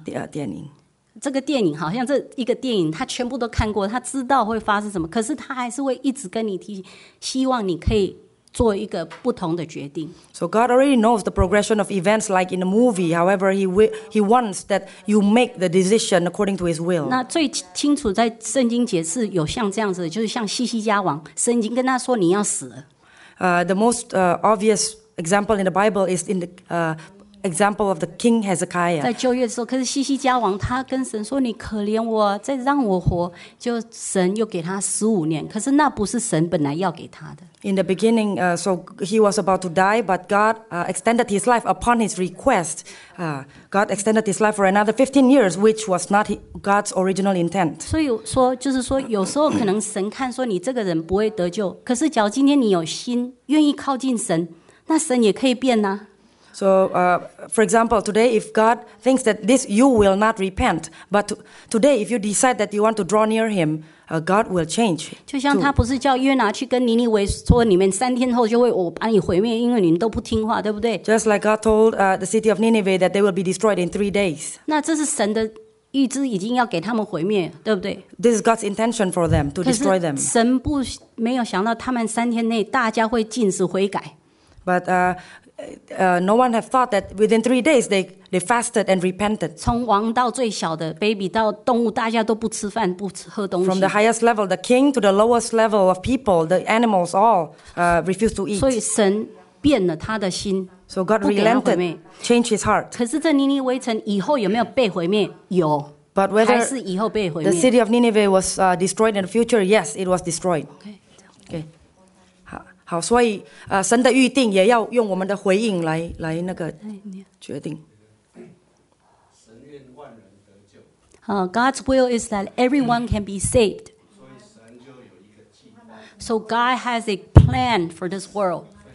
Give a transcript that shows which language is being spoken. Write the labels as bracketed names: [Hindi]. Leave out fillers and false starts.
[Chinese] 电影，这个电影好像这一个电影，他全部都看过，他知道会发生什么，可是他还是会一直跟你提醒，希望你可以做一个不同的决定。 [English] So God already knows the progression of events, like in the movie. However, he wants that you make the decision according to his will. [Chinese] 那最清楚在圣经解释有像这样子，就是像西西家王，神已经跟他说你要死了。 [English] The most obvious example in the Bible is in the example of the king Hezekiah. [Chinese] 在旧约的时候，可是西西家王他跟神说：“你可怜我，再让我活。” 就神又给他十五年，可是那不是神本来要给他的。 [English] In the beginning, so he was about to die, but God extended his life upon his request. God extended his life for another 15 years, which was not God's original intent. [Chinese] 所以说，就是说，有时候可能神看说你这个人不会得救，可是假如今天你有心愿意靠近神，那神也可以变呢。 [English] So, for example, today if God thinks that this you will not repent, but today if you decide that you want to draw near Him, God will change. [Chinese] 就像他不是叫约拿去跟尼尼微说，你们三天后就会我把你毁灭，因为你们都不听话，对不对 [English] ？Just like God told the city of Nineveh that they will be destroyed in 3 days. [Chinese] 那这是神的预知，已经要给他们毁灭，对不对 [English] ？This is God's intention for them to destroy them. [Chinese] 可是神不没有想到他们三天内大家会尽时悔改。 [English] But no one had thought that within 3 days they fasted and repented. [Chinese] 从王到最小的 baby 到动物，大家都不吃饭不喝东西。 [English] From the highest level, the king, to the lowest level of people, the animals all refused to eat. [Chinese] 所以神变了他的心。 [English] So God relented, changed his heart. [Chinese] 可是这尼尼微城以后有没有被毁灭？有。 [English] But whether [Chinese] 还是以后被毁灭。 [English] The city of Nineveh was destroyed in the future. Yes, it was destroyed. Okay. Okay. [Chinese] 好，所以神的预定也要用我们的回应来那个决定。神愿万人得救。 [English] God's will is that everyone can be saved. So God has a plan for this world.